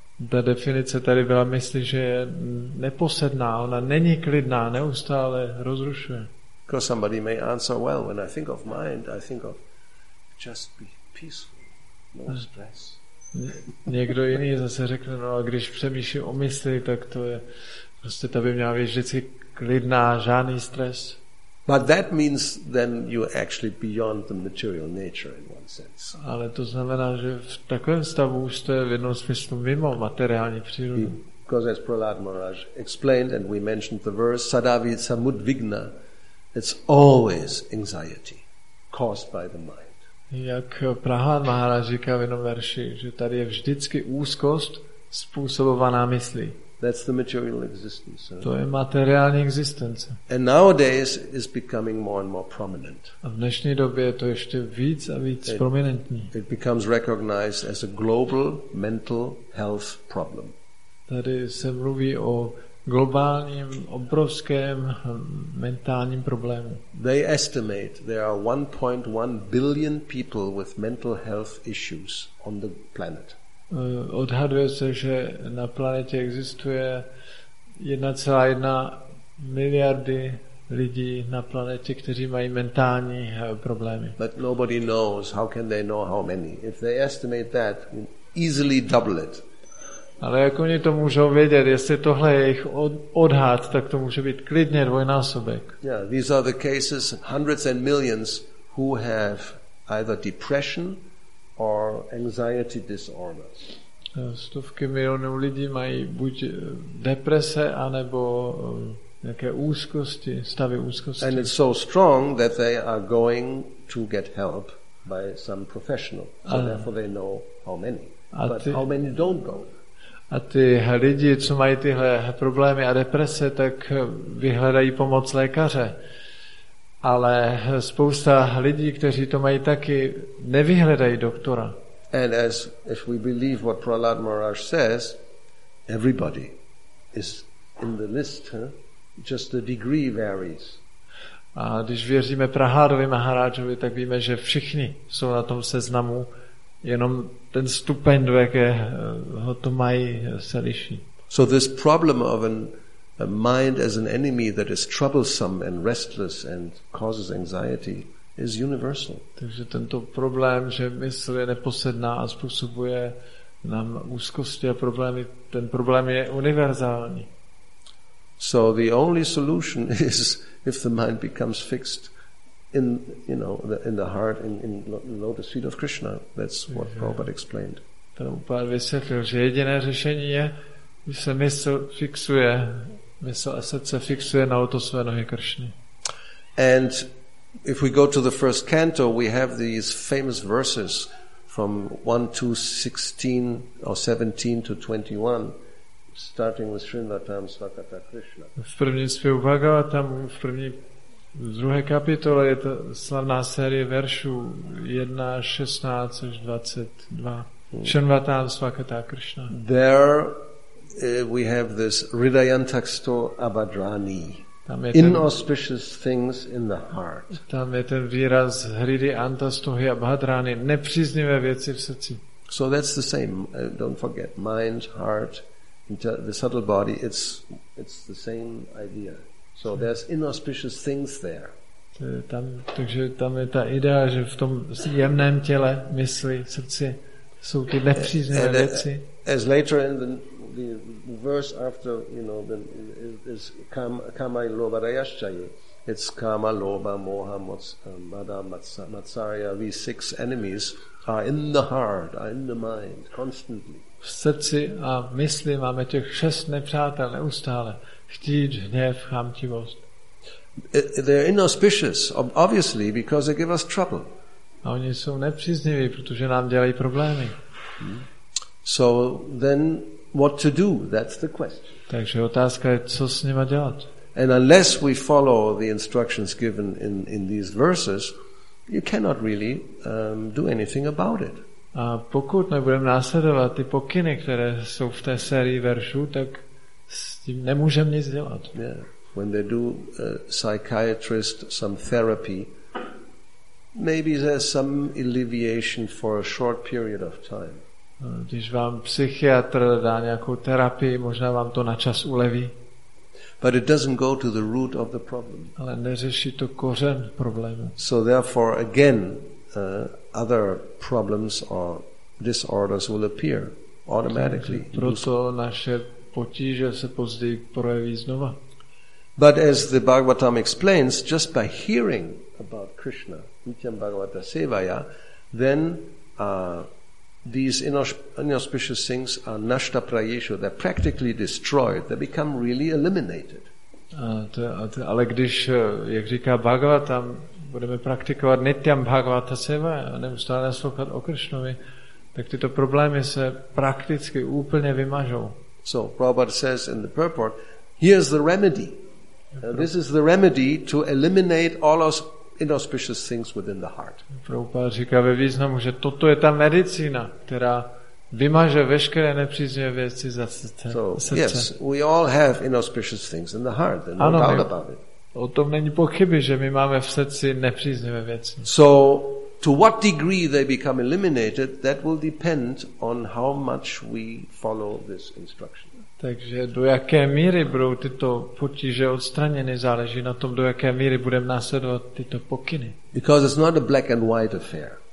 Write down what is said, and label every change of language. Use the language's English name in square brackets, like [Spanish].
[Czech] Ta definice tady byla, myslí, že je neposedná, ona není klidná, neustále rozrušuje. [English] Because somebody may answer, well, when I think of mind, I think of just be peaceful, no stress. [Czech] Někdo jiný zase řekne, no a když přemýšlí o mysli, tak to je, prostě ta by měla být vždycky klidná, žádný stres. [English] But that means then you actually beyond the material nature in one sense. [Czech] Ale to znamená, že v takovém stavu jste v jednom smyslu mimo materiální přírodu. [English] Because as Prahlad Maharaj explained and we mentioned the verse [Sanskrit] sadavid samudvigna, [English] it's always anxiety caused by the mind. [Czech] Jak Prahlad Maharaj říká v jednom verši, že tady je vždycky úzkost způsobovaná myslí. [English] That's the material existence. [Czech] To je materiální existence. [English] And nowadays is becoming more and more prominent. [Czech] A v dnešní době je to ještě víc a víc prominentní. [English] It becomes recognized as a global mental health problem. [Czech] Tady se mluví o globálním obrovském mentálním problému. [English] They estimate there are 1.1 billion people with mental health issues on the planet. [Czech] Odhaduje se, že na planetě existuje 1,1 miliardy lidí na planetě, kteří mají mentální problémy. [English] But nobody knows how can they know how many. If they estimate that, we easily double it. [Czech] Ale jak oni to můžou vědět, jestli tohle je jejich odhad, tak to může být klidně dvojnásobek. [English] Yeah, these are the cases, hundreds and millions who have either depression or anxiety disorders. [Czech] Stovky milionů lidí mají buď deprese, anebo nějaké úzkosti, stavy úzkosti. [English] And it's so strong that they are going to get help by some professional. So therefore they know how many. But how many don't go? [Czech] A ty lidi, co mají tyhle problémy a deprese, tak vyhledají pomoc lékaře. Ale spousta lidí, kteří to mají taky, nevyhledají doktora. [English] And as if we believe what Prahlad Maharaj says, everybody is in the list, just the degree varies. [Czech] A když věříme Prahládovi Maharajovi, tak víme, že všichni jsou na tom seznamu, jenom ten stupeň, do jakého to mají, se liší. [English] So this problem of a mind as an enemy that is troublesome and restless and causes anxiety is universal. [Czech] Takže tento problém, že mysl je neposedná a způsobuje nám úzkosti a problémy, ten problém je univerzální. [English] So the only solution is if the mind becomes fixed in the heart in lotus feet of Krishna. That's what Prabhupada explained. [Czech] Prabhupada vysvětlil, že jediné řešení je, když se mysl a srdce fixuje na lotosové nohy Krishny. [English] And if we go to the first canto, we have these famous verses from 1:16 or 17 to 21. Starting with [Sanskrit] Srinvatam Svakata Krishna. [Czech] V prvním zpěvu Bhagavatam, v druhé kapitole je to slavná série veršů 1:16 až 22. [Sanskrit] Srinvatam Svakata Krishna. [English] There we have this [Sanskrit] Ridayantaksto Abhadrani. [English] Inauspicious things in the heart. [Czech] Tam je ten výraz [Sanskrit] Hridi Antastohi Abhadrani, [Czech] nepříznivé věci v srdci. [English] So that's the same. Don't forget mind, heart, the subtle body. It's the same idea. So there's inauspicious things there. [Czech] Takže tam je ta idea, že v tom jemném těle, mysli, srdci jsou ty nepříznivé věci. [English] As later in the verse after, you know, is [Sanskrit] kama lobarayaschaye. [English] It's kama, loba, moha, mada, matsarya. These six enemies are in the heart, are in the mind, constantly. [Czech] V srdci a v mysli máme těch šest nepřátel neustále. Chtíč, hněv, chamtivost. [English] They're inauspicious, obviously, because they give us trouble. [Czech] A oni jsou nepříznivý, protože nám dělají problémy. [English] So then, what to do? That's the question. [Czech] Takže otázka je, co s nima dělat. [English] And unless we follow the instructions given in these verses, you cannot really do anything about it. [Czech] A pokud nebudeme následovat ty pokyny, které jsou v té sérii veršů, tak s tím nemůžeme nic dělat. [English] Yeah. When they do psychiatrist some therapy, maybe there's some alleviation for a short period of time. [Czech] Když vám psychiatr dá nějakou terapii, možná vám to na čas uleví. [English] But it doesn't go to the root of the problem. [Czech] Ale neřeší to kořen problému. [English] So therefore again other problems or disorders will appear automatically. [Czech] Proto naše potíže se později projeví znova. [English] But as the Bhagavatam explains, just by hearing about Krishna, [Sanskrit] Nityam Bhagavata Sevaya, [English] then these inauspicious things are [Sanskrit] nashta prayesho, [English] they're practically destroyed, they become really eliminated. [Czech] Ale když, jak říká Bhagavatam, budeme praktikovat [Sanskrit] Nityam Bhagavata Sevaya, [Czech] neustále naslouchat o Krishnovi, tak tyto problémy se prakticky úplně vymažou. [English] So Prabhupada says in the purport, here's the remedy. This is the remedy to eliminate all those inauspicious things within the heart. [Czech] Prabhupada říká ve významu, že toto je ta medicína, která vymaže veškeré nepříznivé věci ze srdce. [English] So, yes, we all have inauspicious things in the heart, and no doubt about it. [Czech] O tom není pochyby, že my máme v srdci nepříznivé věci. [English] So, to what degree they become eliminated, that will depend on how much we follow this instruction. [Czech] Takže do jaké míry budou tyto potíže odstraněny, záleží na tom, do jaké míry budeme následovat tyto pokyny. [English] Because it's not a black and white affair.